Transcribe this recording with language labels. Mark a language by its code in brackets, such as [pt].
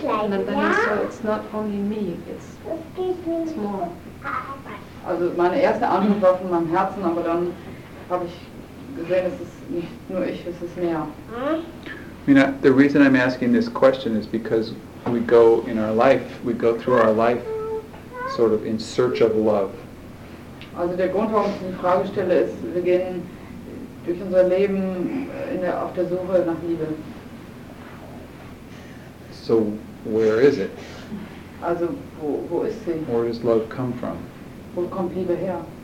[en] And then I saw it's not only me, it's more. [de] Also meine erste Antwort war von meinem Herzen, aber dann habe ich gesehen, es ist nicht nur ich, es ist mehr. [en] You know, the reason I'm asking this question is because we go in our life, we go through our life sort of in search of love. [de] Also der Grund, warum ich die Frage stelle, ist, wir gehen durch unser Leben in der, auf der Suche nach Liebe. [en] So where is it? [de] Also wo ist sie? [en] Where does love come from? [de] Wo kommt Liebe her?